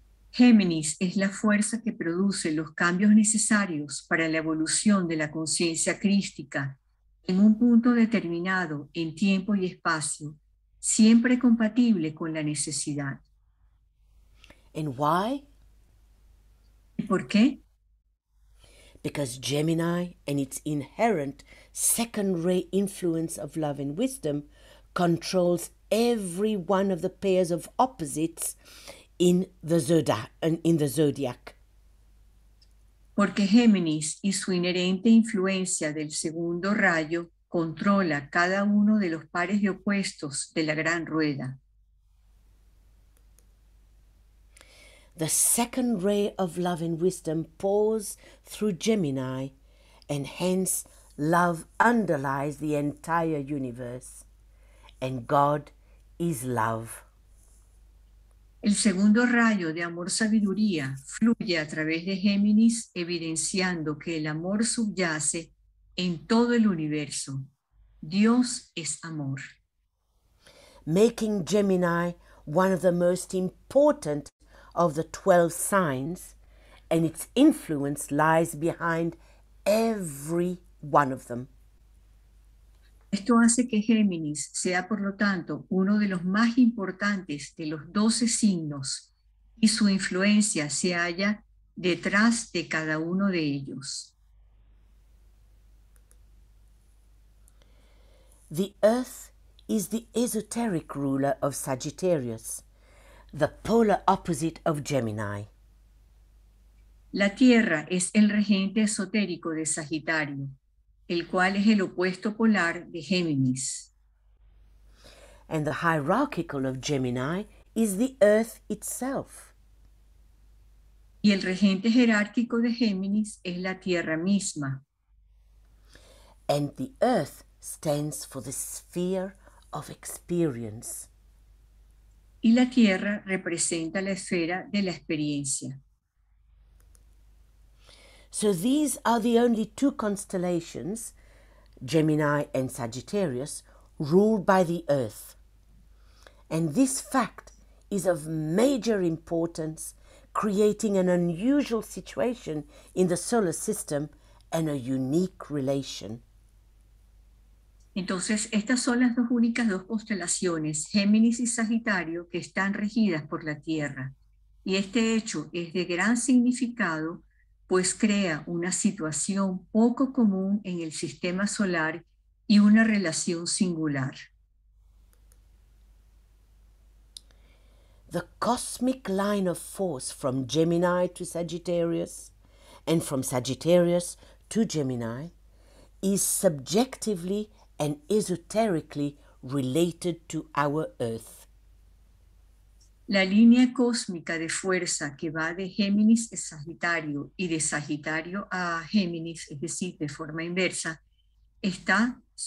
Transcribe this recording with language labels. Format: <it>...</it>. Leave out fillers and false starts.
<es>Géminis es la fuerza que produce los cambios necesarios para la evolución de la conciencia crística en un punto determinado en tiempo y espacio, siempre compatible con la necesidad.</es> <en>And why?</en> <es>¿Y por qué?</es> <en>Because Gemini and its inherent second ray influence of love and wisdom controls every one of the pairs of opposites in the zodiac.</en> <es>Porque Géminis y su inherente influencia del segundo rayo controla cada uno de los pares de opuestos de la gran rueda.</es> <en>The second ray of love and wisdom pours through Gemini, and hence love underlies the entire universe, and God is love.</en> <es>El segundo rayo de amor-sabiduría fluye a través de Géminis, evidenciando que el amor subyace en todo el universo. Dios es amor.</es> <en>Making Gemini one of the most important of the 12 signs, and its influence lies behind every one of them.</en> <es>Esto hace que Géminis sea, por lo tanto, uno de los más importantes de los 12 signos y su influencia se halla detrás de cada uno de ellos.</es> <en>The Earth is the esoteric ruler of Sagittarius, the polar opposite of Gemini.</en> <es>La Tierra es el regente esotérico de Sagitario, el cual es el opuesto polar de Géminis.</es> <en>And the hierarchical of Gemini is the Earth itself.</en> <es>Y el regente jerárquico de Géminis es la Tierra misma.</es> <en>And the Earth stands for the sphere of experience.</en> <es>Y la Tierra representa la esfera de la experiencia.</es> <en>So these are the only two constellations, Gemini and Sagittarius, ruled by the Earth. And this fact is of major importance creating an unusual situation in the solar system and a unique relation.</en> <es>Entonces, estas son las dos únicas dos constelaciones, Géminis y Sagitario, que están regidas por la Tierra. Y este hecho es de gran significado, pues crea una situación poco común en el sistema solar y una relación singular.</es> <en>The cosmic line of force from Gemini to Sagittarius and from Sagittarius to Gemini is subjectively and esoterically related to our Earth.</en> <es>La línea cósmica de fuerza que va de Géminis a Sagitario y de Sagitario a Géminis, es decir, de forma inversa, está</es>